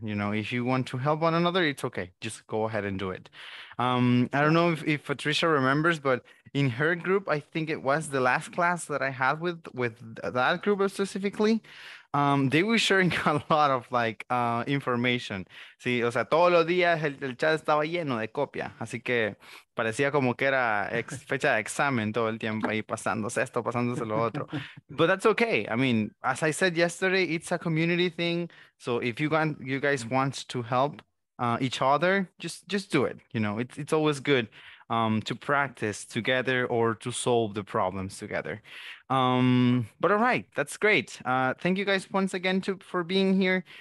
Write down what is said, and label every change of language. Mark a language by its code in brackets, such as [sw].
[en] You know, if you want to help one another, it's okay. Just go ahead and do it. I don't know if Patricia remembers, but in her group, I think it was the last class that I had with that group specifically. They were sharing a lot of like information. [es] Sí, o sea, todos los días el chat estaba lleno de copia, así que parecía como que era fecha de examen todo el tiempo ahí pasándose esto, pasándose lo otro. [en] But that's okay. I mean, as I said yesterday, it's a community thing. So if you guys want to help each other, just do it. You know, it's always good to practice together or to solve the problems together. But all right, that's great. Thank you guys once again for being here.